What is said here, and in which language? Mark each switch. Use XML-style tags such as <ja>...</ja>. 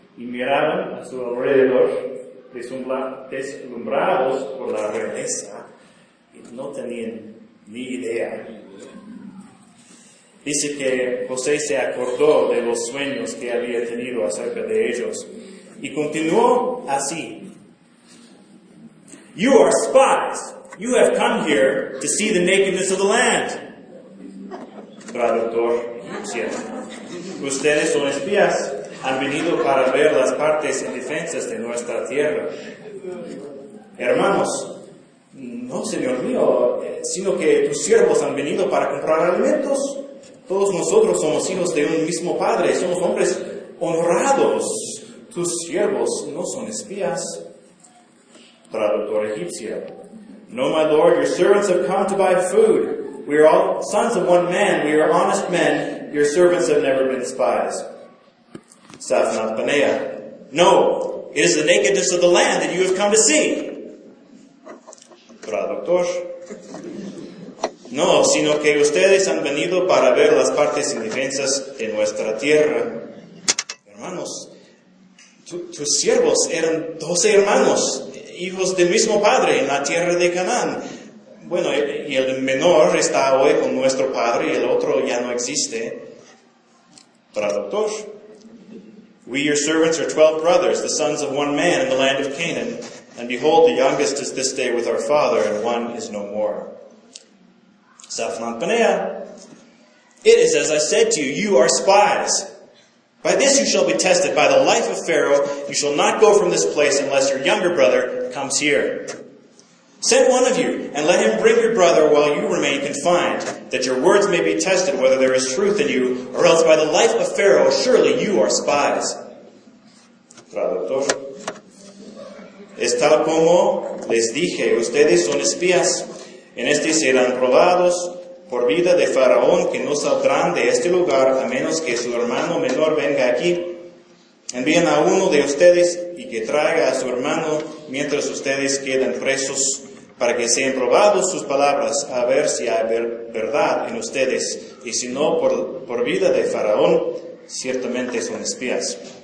<es>Y miraban a su alrededor, deslumbrados por la realeza, y no tenían ni idea. Dice que José se acordó de los sueños que había tenido acerca de ellos, y continuó así.</es> <en>You are spies. You have come here to see the nakedness of the land.</en> <es>Traductor, cierto. Ustedes son espías. Han venido para ver las partes indefensas de nuestra tierra. Hermanos, no, señor mío, sino que tus siervos han venido para comprar alimentos. Todos nosotros somos hijos de un mismo padre. Somos hombres honrados. Tus siervos no son espías. Traductor egipcio.</es> <en>No, my lord, your servants have come to buy food. We are all sons of one man. We are honest men. Your servants have never been spies. Safnat Panea. No, it is the nakedness of the land that you have come to see.</en> <es>Traductor. No, sino que ustedes han venido para ver las partes indefensas de nuestra tierra. Hermanos, tus siervos eran 12 hermanos, hijos del mismo padre en la tierra de Canaán. Bueno, y el menor está hoy con nuestro padre y el otro ya no existe. Traductor.</es> <en>We, your servants, are 12 brothers, the sons of one man in the land of Canaan. And behold, the youngest is this day with our father, and one is no more. Safnat Panea. It is as I said to you, you are spies. By this you shall be tested. By the life of Pharaoh, you shall not go from this place unless your younger brother comes here. Send one of you, and let him bring your brother while you remain confined, that your words may be tested whether there is truth in you, or else by the life of Pharaoh, surely you are spies.</en> <es>Traductor. Es tal como les dije, ustedes son espías. En este serán probados por vida de Faraón, que no saldrán de este lugar a menos que su hermano menor venga aquí. Envíen a uno de ustedes y que traiga a su hermano mientras ustedes quedan presos, para que sean probados sus palabras, a ver si hay verdad en ustedes, y si no, por vida de Faraón, ciertamente son espías.</es>